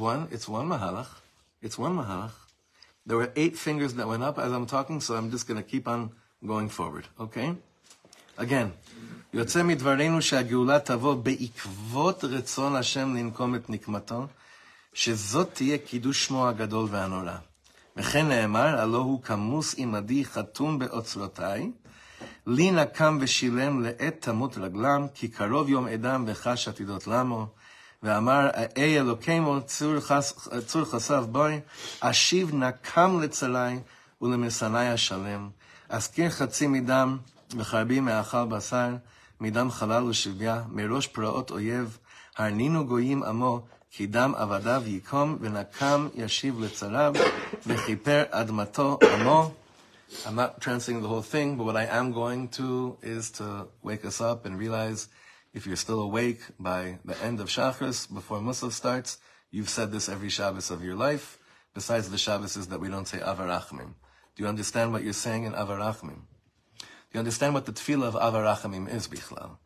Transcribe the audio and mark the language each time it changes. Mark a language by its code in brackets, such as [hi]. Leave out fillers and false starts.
[en] It's one mahalach. There were 8 fingers that went up as I'm talking, so I'm just going to keep on going forward, okay? [he] Again, יוצא מדברינו שהגאולה תבוא בעקבות רצון השם לנקום את נקמתו, שזאת תהיה קידוש שמו הגדול והנורא. וכן נאמר, הלא הוא כמוס עמדי חתום באוצרותיי, לי נקם ושילם לעת תמות רגלם, כי קרוב יום אדם וחש עתידות למו, ואמר, אי אלוקימו צור חסב בוי, אשיב נקם לצלי ולמסני השלם, אזכיר חצי מדם, וחרבי מאכל בשר, מדם חלל ושביה, מראש פרעות אויב, הרנינו גויים עמו, כי דם עבדיו ייקום, ונקם ישיב לצריו, וכיפר אדמתו עמו. [en] I'm not translating the whole thing, but what I am going to is to wake us up and realize, if you're still awake by the end of Shacharis, before Musaf starts, you've said this every Shabbos of your life, besides the Shabboses that we don't say Av Harachamim. Do you understand what you're saying in Av Harachamim? Do you understand what the tefillah of Av Harachamim is, Bichlal?